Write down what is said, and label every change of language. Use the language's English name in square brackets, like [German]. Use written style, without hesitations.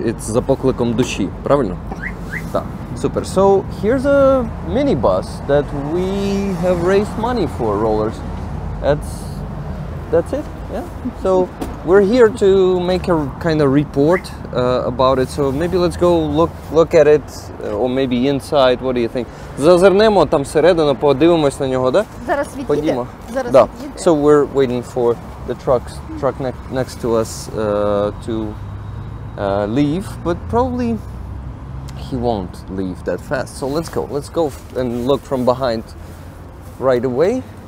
[English] It's [Ukrainian] за покликом душі, правильно? Так. [English] Super. So here's a minibus that we have raised money for rollers. That's it. Yeah. So we're here to make a kind of report about it. So maybe let's go look at it, or maybe inside. What do you think? [Ukrainian] Зазирнемо там всередину, подивимось на нього, да? Зараз відійде. Ходімо. Зараз відійде. Да. [English] So we're waiting for the truck next to us to leave, but probably he won't leave that fast. So let's go. Let's go and look from behind right away.